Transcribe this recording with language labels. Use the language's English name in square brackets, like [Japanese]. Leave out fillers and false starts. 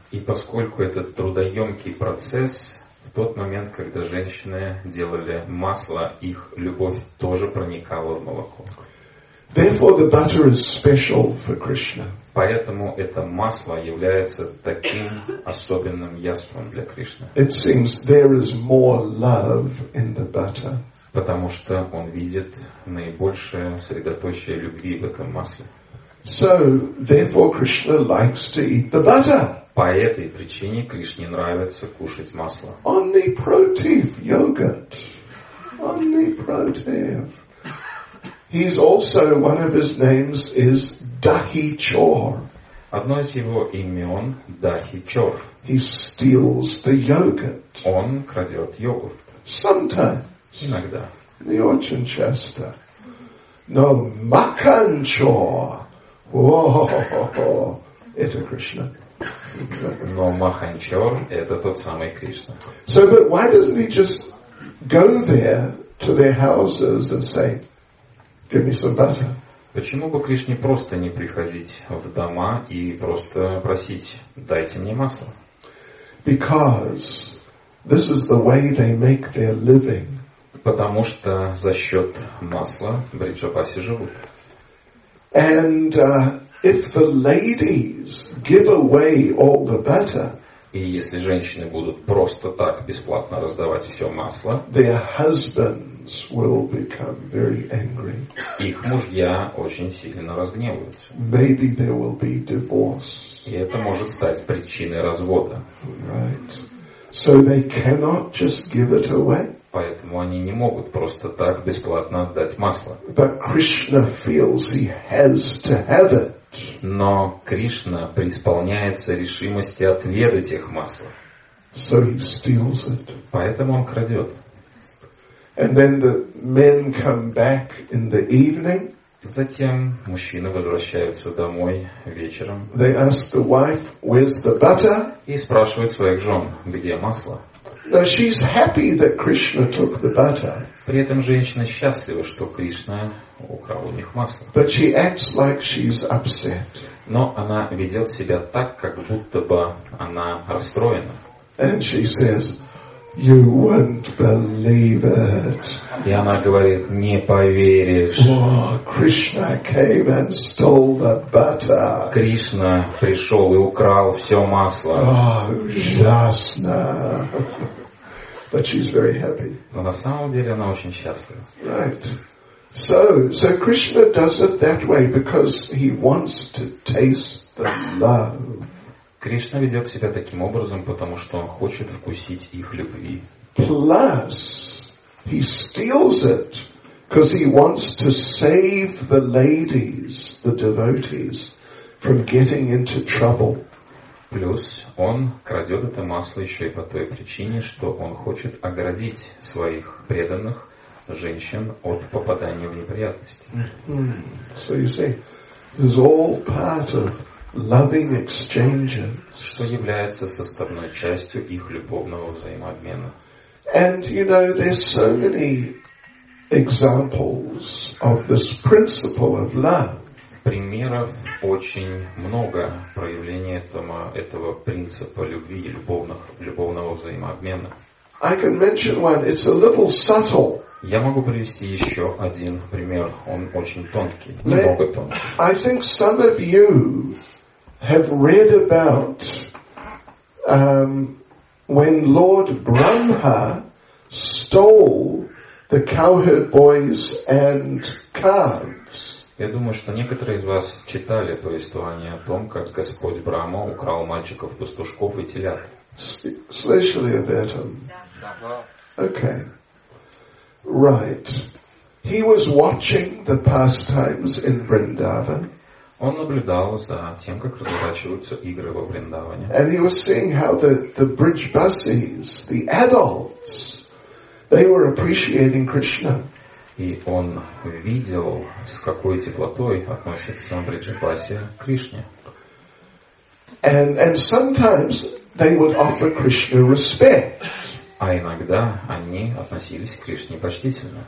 [Russian] И поскольку это трудоемкий процесс, в тот момент, когда женщины делали масло, их любовь тоже проникала в молоко. [English] Therefore, the butter is special for Krishna. [Russian] Поэтому это масло является таким особенным яством для Кришны. [English] It seems there is more love in the butter. [Russian] Потому что он видит наибольшее средоточие любви в этом масле. [English] So, therefore, Krishna likes to eat the butter. [Russian] По этой причине Кришне нравится кушать масло. Omniprotein yogurt. Omniprotein. [English] He's also, one of his names is Dahi Chor. [Russian] Одно из его имен Dahi Chor. [English] He steals the yogurt. [Russian] Он крадет йогурт. [English] Sometimes. [Russian] Иногда. The очень часто. Но маканчо. О-хо-хо-хо. Это Кришна. Но маханчо это тот самый Кришна. [English] So, but why doesn't he just go there to their houses and say, give me some butter? [Russian] Почему бы Кришне просто не приходить в дома и просто просить, дайте мне масло? [English] Because this is the way they make their living. [Russian] Потому что за счет масла бриджапаси живут. [English] And if the ladies give away all the butter, [Russian] и если женщины будут просто так бесплатно раздавать все масло, [English] their husbands will become very angry. [Russian] Их мужья очень сильно разгневаются. [English] Maybe there will be divorce. [Russian] И это может стать причиной развода. [English] Right. So they cannot just give it away. [Russian] Поэтому они не могут просто так бесплатно отдать масло. [English] But Krishna feels he has to have it. [Russian] Но Кришна преисполняется решимости отведать их масло. [English] So he steals it. [Russian] Поэтому он крадет. [English] And then the men come back in the evening. [Russian] Затем мужчины возвращаются домой вечером. [English] They ask the wife, where's the butter? [Russian] И спрашивают своих жен, где масло. [English] Now she's happy that Krishna took the butter. [Russian] При этом женщина счастлива, что Кришна украл у них масло. [English] But she acts like she's upset. [Russian] Но она ведет себя так, как будто бы она расстроена. [English] And she says, you won't believe it. [Russian] И она говорит, не поверишь. [English] Oh, Krishna came and stole the butter. [Russian] Кришна пришел и украл все масло. [English] Oh, [Russian] ужасно. [English] But she's very happy. [Russian] Но на самом деле она очень счастлива. [English] Right. So Krishna does it that way because he wants to taste the love. [Russian] Кришна ведет себя таким образом, потому что он хочет вкусить их любви. [English] Plus, he steals it because he wants to save the ladies, the devotees, from getting into trouble. [Russian] Плюс он крадет это масло еще и по той причине, что он хочет оградить своих преданных женщин от попадания в неприятности. [English] So you see, this is all part of loving exchanges. [Russian] Что является составной частью их любовного взаимообмена. [English] And you know, there's so many examples of this principle of love. [Russian] Примеров очень много проявления этого принципа любви и любовного взаимообмена. [English] I can mention one. It's a little subtle. [Russian] Я могу привести еще один пример. Он очень тонкий, немного тонкий. [English] I think some of you have read about when Lord Brahma stole the cowherd boys and calves. [Russian] Я думаю, что некоторые из вас читали повествование о том, как Господь Брахма украл мальчиков, пастушков и телят. Слышали об этом? [English] Okay. Right. He was watching the pastimes in Vrindavan. [Russian] Он наблюдал за тем, как разворачиваются игры во Вриндаване. [English] And he was seeing how the bridge busies, the adults, they were appreciating Krishna. [Russian] И он видел, с какой теплотой относятся бриджбаси к Кришне. [English] And sometimes they would offer Krishna respect. [Russian] А иногда они относились к Кришне почтительно.